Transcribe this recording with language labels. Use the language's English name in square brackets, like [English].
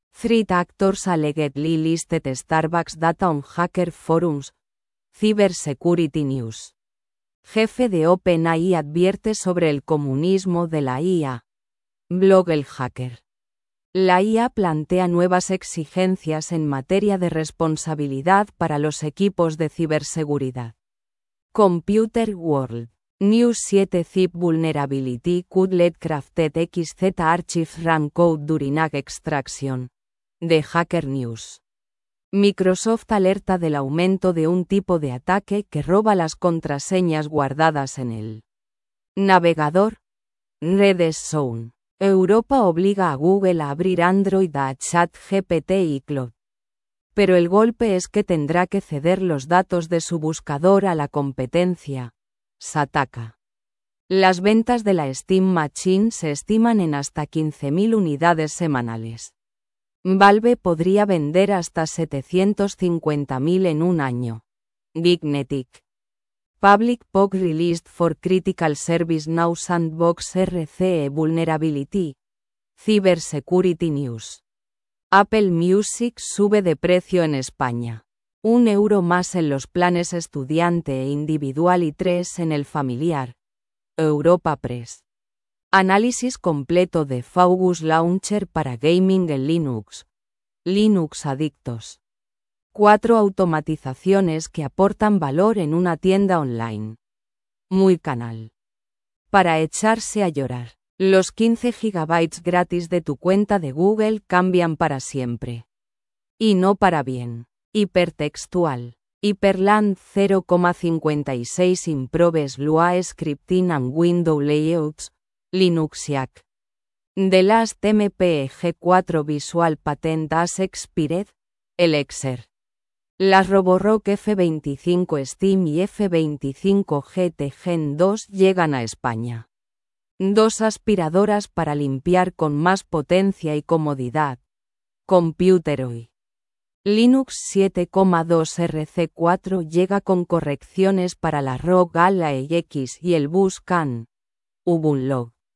[English] Threat actors allegedly listed Starbucks data on hacker forums. Cyber Security News. [Spanish] Jefe de OpenAI advierte sobre el comunismo de la IA. Blog El Hacker. La IA plantea nuevas exigencias en materia de responsabilidad para los equipos de ciberseguridad. Computer World. [English] News 7 Zip Vulnerability could let crafted XZ archive run code during AG extraction. The Hacker News. [Spanish] Microsoft alerta del aumento de un tipo de ataque que roba las contraseñas guardadas en el navegador. Redes Zone. Europa obliga a Google a abrir Android a ChatGPT y Claude. Pero el golpe es que tendrá que ceder los datos de su buscador a la competencia. Sataka. Las ventas de la Steam Machine se estiman en hasta 15.000 unidades semanales. Valve podría vender hasta 750.000 en un año. Dignetic. [English] Public POC released for critical service now sandbox RCE vulnerability. Cyber Security News. [Spanish] Apple Music sube de precio en España. Un euro más en los planes estudiante e individual y tres en el familiar. Europa Press. Análisis completo de Faugus Launcher para gaming en Linux. Linux Adictos. Cuatro automatizaciones que aportan valor en una tienda online. Muy canal. Para echarse a llorar. Los 15 GB gratis de tu cuenta de Google cambian para siempre. Y no para bien. [English] Hipertextual. Hyperland 0,56 improves Lua scripting and window layouts. Linuxiac. The last MPEG-4 visual patent has expired. Elixir. [Spanish] Las Roborock F25 Steam y F25 GT Gen 2 llegan a España. Dos aspiradoras para limpiar con más potencia y comodidad. Computeroy. Linux 7.2 RC4 llega con correcciones para la ROG ALAX y el BUSCAN. Ubuntu.